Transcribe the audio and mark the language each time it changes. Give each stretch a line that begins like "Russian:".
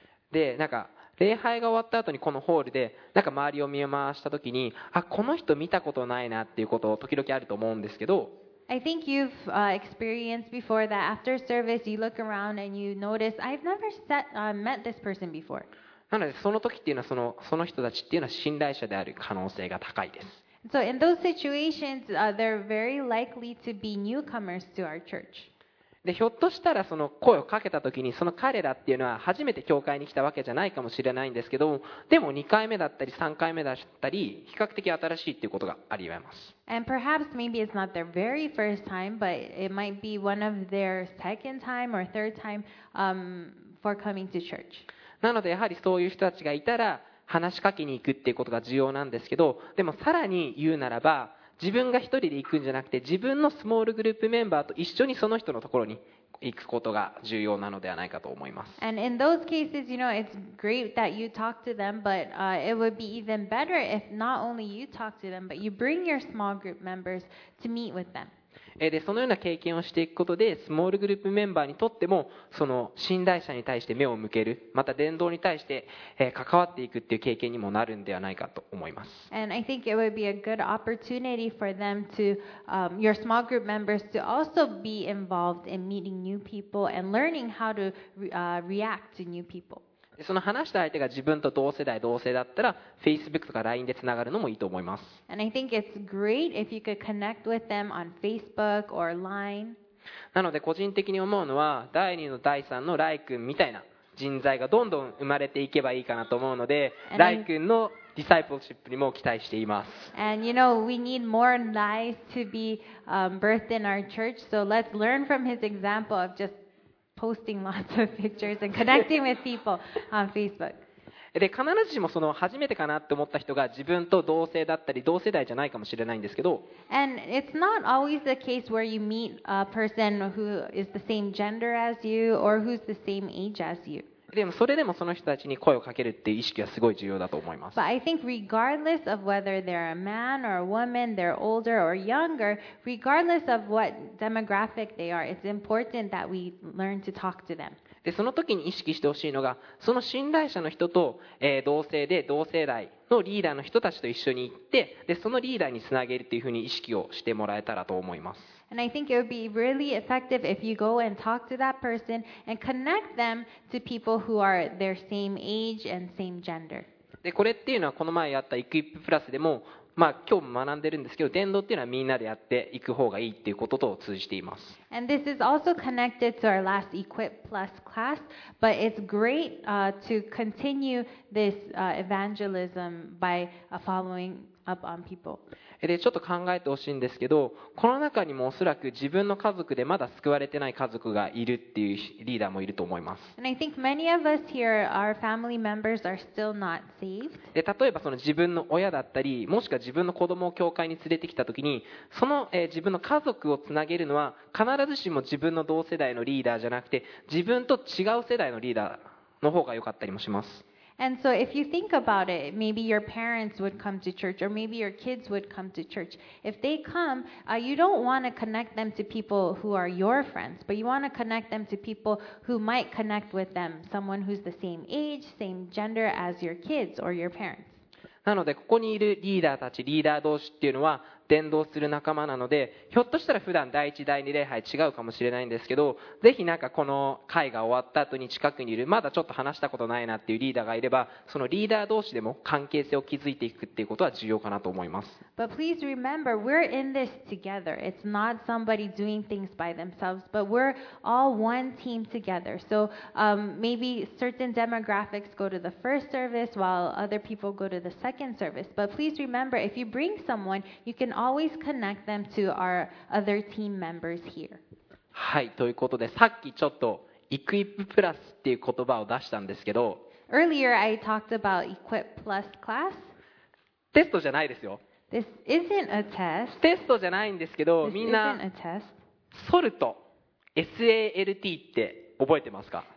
Japanese: で、なんか礼拝が終わった後にこのホールでなんか周りを見回した時に、あ、この人見たことないなっていうことを時々あると思うんですけど。
English: I think you've, experienced before that after service you look around and you notice I've never set, met this person before.
Japanese: なのでその時っていうのはその人たちっていうのは信頼者である可能性が高いです。
English: So in those situations, they're very likely to be newcomers to our church.
Japanese: で、ひょっとしたらその声をかけた時にその彼らっていうのは初めて教会に来たわけじゃないかもしれないんですけど、でも2回目だったり3回目だったり比較的新しいっていうことがあり得ます。
English: And perhaps maybe it's not their very first time, but it might be one of their second time or third time, for coming to church.
Japanese: なのでやはりそういう人たちがいたら話しかけに行くっていうことが重要なんですけど、でもさらに言うならば、自分が一人で行くんじゃなくて、自分のスモールグループメンバーと一緒にその人のところに行くことが重要なのではないかと思います。
English: And in those cases, you know, it's great that you talk to them, but, it would be even better if not only you talk to them, but you bring your small group members to meet with them.
Japanese: でそのような経験をしていくことでスモールグループメンバーにとってもその信頼者に対して目を向ける、また伝道に対して、関わっていくっていう経験にもなるんではないかと思います。
English: And I think it would be a good opportunity for them to, your small group members to also be involved in meeting new people and learning how to, react to new people.
Japanese: その話した相手が自分と同世代同性だったら Facebook とか LINE でつながるのもいいと思います。なので個人的に思うのは、第2の第3のライ君みたいな人材がどんどん生まれていけばいいかなと思うので、ライ君のディサイプルシップにも期待しています。
English: And you know, we need more lives to be birthed in our church, so let's learn from his example of just posting lots of pictures and connecting with people on Facebook.
Japanese: で、必ずしもその初めてかなって思った人が自分と同性だったり同世代じゃないかもしれないんですけど、
English: And it's not always the case where you meet a person who is the same gender as you or who's the same age as you.
Japanese: でもそれでもその人たちに声をかけるっていう意識はすごい重要だと思います。
English: But I think regardless of whether they're a man or a woman, they're older or younger, regardless of what demographic they are, it's important that we learn to talk to them.
Japanese: でその時に意識してほしいのが、その信頼者の人と、同性で同世代のリーダーの人たちと一緒に行って、でそのリーダーにつなげるっていうふうに意識をしてもらえたらと思います。
English: And I think it would be really effective if you go and talk to that person and connect them to people who are their same age and same gender.
Japanese: で、これっていうのはこの前やったイクイッププラスでも、まあ今日も学んでるんですけど、伝道っていうのはみんなでやっていく方がいいっていうことと通じています。
English: And this is also connected to our last Equip Plus class, but it's great to continue this evangelism by following up on people.
Japanese: でちょっと考えてほしいんですけど、この中にもおそらく自分の家族でまだ救われてない家族がいるっていうリーダーもいると思います。例えばその自分の親だったり、もしくは自分の子供を教会に連れてきたときに、その、自分の家族をつなげるのは必ずしも自分の同世代のリーダーじゃなくて、自分と違う世代のリーダーの方が良かったりもします。
English: And so if you think about it, maybe your parents would come to church or maybe your kids would come to church. If they come, you don't want to connect them to people who are your friends, but you want to connect them to people who might connect with them, someone who's the same age, same gender as your kids or your parents.
Japanese: なのでここにいるリーダーたち、リーダー同士っていうのは伝道する仲間なので、ひょっとしたら普段第一第二礼拝違うかもしれないんですけど、ぜひなんかこの会が終わった後に近くにいるまだちょっと話したことないなっていうリーダーがいれば、そのリーダー同士でも関係性を築いていくっていうことは重要かなと思います。
English: But please remember, we're in this together. It's not somebody doing things by themselves, but we're all one team together. So maybe certain demographics go to the first service while other people go to the second service. But please remember, if you bring someone, you canAlways connect them to our other team members here.
Japanese: はい、ということで、さっきちょっとイクイッププラスっていう言葉を出したんですけど、
English: Earlier I talked about Equip Plus class.
Japanese: テストじゃないですよ。
English: This isn't a test.
Japanese: テストじゃないんですけど、みんな
English: This isn't a test.
Japanese: SALT, S-A-L-T って覚えてますか？